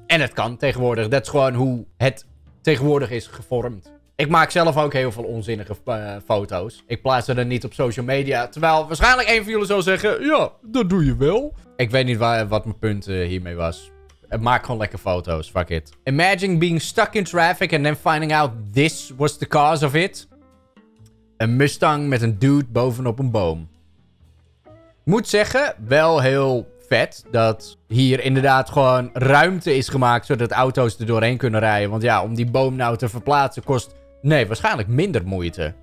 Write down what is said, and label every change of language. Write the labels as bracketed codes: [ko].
[nl] En het kan tegenwoordig. Dat is gewoon hoe het tegenwoordig is gevormd. Ik maak zelf ook heel veel onzinnige foto's. Ik plaats ze dan niet op social media. Terwijl waarschijnlijk één van jullie zou zeggen, ja, dat doe je wel. Ik weet niet wat mijn punt hiermee was. Maak gewoon lekker foto's. [en] Fuck it. Imagine being stuck in traffic and then finding out this was the cause of it. [nl] Een Mustang met een dude bovenop een boom. Moet zeggen, wel heel vet dat hier inderdaad gewoon ruimte is gemaakt zodat auto's er doorheen kunnen rijden. Want ja, om die boom nou te verplaatsen kost, nee, waarschijnlijk minder moeite.